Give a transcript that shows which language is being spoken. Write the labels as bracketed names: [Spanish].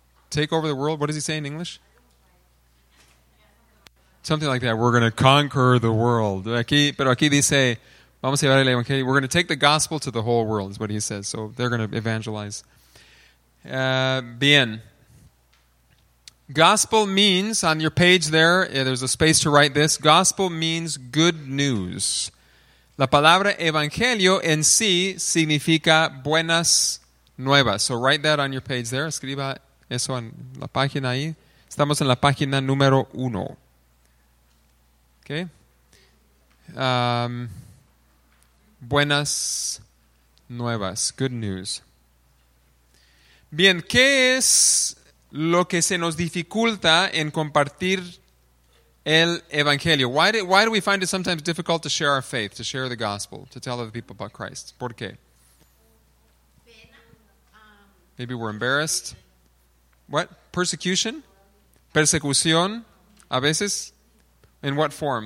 [English] Take over the world. What does he say in English? Something like that. We're going to conquer the world. [Spanish] Aquí, pero aquí dice, vamos a llevar el evangelio. [English] We're going to take the gospel to the whole world. Is what he says. So they're going to evangelize. Bien. Gospel means, on your page there, there's a space to write this. Gospel means good news. [Spanish] La palabra evangelio en sí significa buenas nuevas. [English] So write that on your page there. [Spanish] Escriba eso en la página ahí. Estamos en la página número uno. Okay. Buenas nuevas. [English] Good news. [Spanish] Bien, ¿qué es lo que se nos dificulta en compartir el evangelio? [English] Why do we find it sometimes difficult to share our faith, to share the gospel, to tell other people about Christ? [Spanish] ¿Por qué? [English] Maybe we're embarrassed. What? Persecution? [Spanish] Persecución? A veces? [English] In what form?